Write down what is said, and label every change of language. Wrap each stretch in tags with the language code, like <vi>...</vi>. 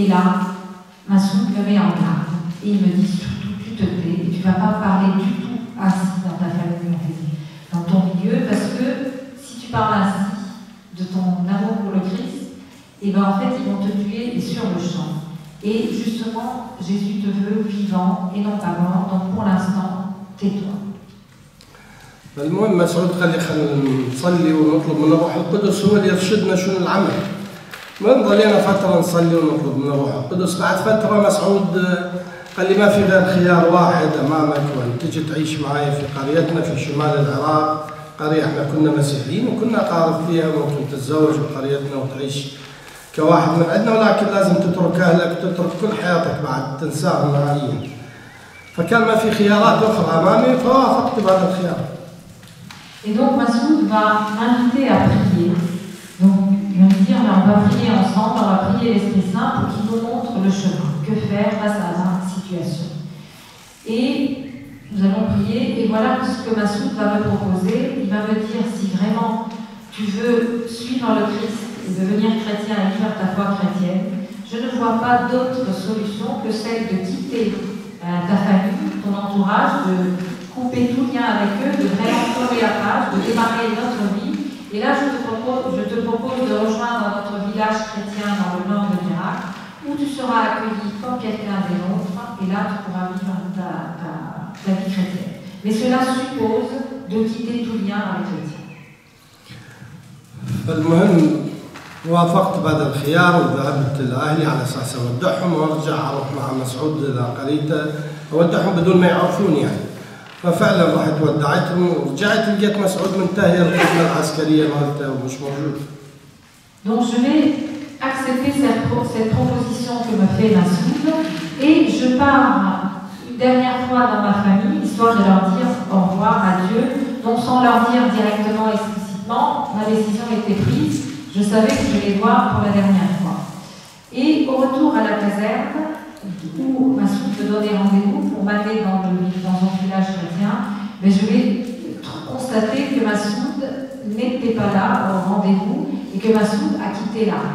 <fr>Et là, ma soeur me met en garde et il me dit, surtout, tu te tais et tu ne vas pas parler du tout ainsi dans ta famille, dans ton milieu, parce que si tu parles ainsi de ton amour pour le Christ, et bien en fait, ils vont te tuer sur le champ. Et justement, Jésus te veut vivant et non pas mort, donc pour l'instant, tais-toi.</fr> <ar>المهم مسعود قال لي خلينا نصلي ونطلب من الروح القدس هو اللي يرشدنا شنو العمل. المهم ضلينا فتره نصلي ونطلب من الروح القدس، بعد فتره مسعود قال لي ما في غير خيار واحد امامك وان تجي تعيش معايا في قريتنا في شمال العراق، قريه احنا كنا مسيحيين وكنا قارب فيها، ممكن تتزوج بقريتنا وتعيش كواحد من عندنا، ولكن لازم تترك اهلك وتترك كل حياتك بعد تنساهم نهائيا. فكان ما في خيارات اخرى امامي فوافقت بهذا الخيار.</ar> <fr>Et donc Massoud va m'inviter à prier. Donc il va me dire, mais on va prier ensemble, on va prier l'Esprit Saint pour qu'il nous montre le chemin, que faire face à la situation. Et nous allons prier, et voilà ce que Massoud va me proposer. Il va me dire, si vraiment tu veux suivre le Christ et devenir chrétien et vivre ta foi chrétienne, je ne vois pas d'autre solution que celle de quitter ta famille, ton entourage, de couper tout lien avec eux, de vraiment tourner la page, de démarrer une autre vie. Et là, je te propose de rejoindre notre village chrétien dans le nord de l'Irak, où tu seras accueilli comme quelqu'un des autres, et là, tu pourras vivre ta vie chrétienne. Mais cela suppose de quitter tout lien avec les chrétiens.</fr> <ar>وافقت بعد الخيار وذهبت لأهلي على أساس أودعهم وأرجع أروح مع مسعود إلى قريته أودعهم بدون ما يعرفوني يعني. ففعلا رحت ودعتهم ورجعت لقيت مسعود منتهي القسمة العسكرية مالته ومش موجود.</ar> <fr>Donc je vais accepter cette proposition que me fait Massoud et je pars une dernière fois dans ma famille histoire de leur dire au revoir, adieu, donc sans leur dire directement explicitement, ma décision était prise. Je savais que je les voir pour la dernière fois. Et au retour à la caserne, où Massoud me donnait rendez-vous pour m'aller dans un village chrétien, mais je vais constater que Massoud n'était pas là au rendez-vous et que Massoud a quitté</fr>